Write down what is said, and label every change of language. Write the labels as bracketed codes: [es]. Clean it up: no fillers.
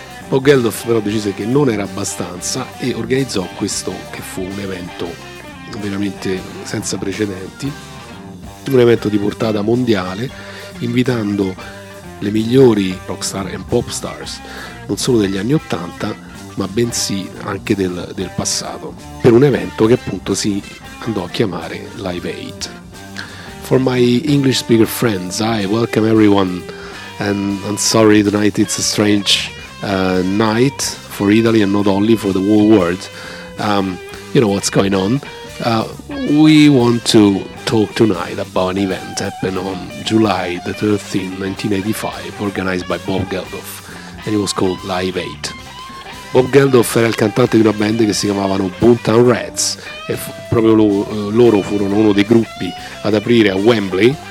[it] Bob Geldof però decise che non era abbastanza e organizzò questo che fu un evento veramente senza precedenti, un evento di portata mondiale, invitando le migliori rockstar e pop stars non solo degli anni 80 ma bensì anche del passato, per un evento che appunto si andò a chiamare Live Aid. [en] For my English speaker friends, I welcome everyone, and I'm sorry tonight it's a strange night for Italy and not only for the whole world. You know what's going on. We want to talk tonight about an event happened on July the 13th, 1985, organized by Bob Geldof, and it was called Live Aid. [it] Bob Geldof era il cantante di una band che si chiamavano Boomtown Rats, e loro furono uno dei gruppi ad aprire a Wembley.